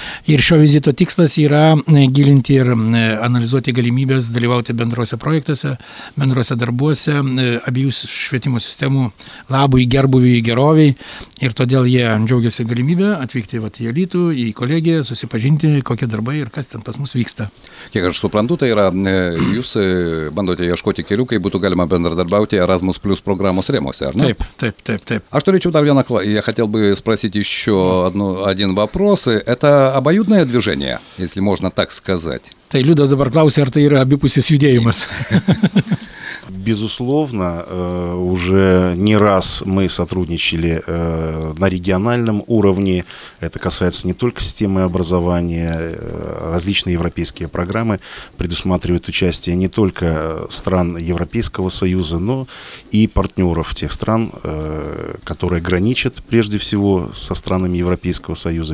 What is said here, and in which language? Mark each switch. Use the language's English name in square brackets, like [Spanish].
[Lithuanian] Ir šio vizito tikslas yra gilinti ir analizuoti galimybės dalyvauti bendrose projektuose, bendrose darbuose, abiejų švietimo sistemų labui, gerbuviui, geroviai. Ir todėl jie džiaugiasi galimybę atvykti vat, į Alytų, į kolegiją, susipažinti, kokie darbai ir kas ten pas mus vyksta. Kiek aš suprantu, tai yra, jūs bandote ieškoti kelių, kai būtų galima bendradarbiauti Erasmus Plus programos rėmose, ar ne? Taip, taip, taip, taip. Aš turėčiau dar vieną klausimą, jei [Russian] хотел бы спросить еще один вопрос. Это обоюдное движение, если можно так сказать? [Lithuanian] Tai Liudas dabar klausė, ar tai yra abipusis judėjimas? [Russian] Безусловно, уже не раз мы сотрудничали на региональном уровне. Это касается не только системы образования, различные европейские программы предусматривают участие не только стран Европейского Союза, но и партнеров тех стран, которые граничат прежде всего со странами Европейского Союза.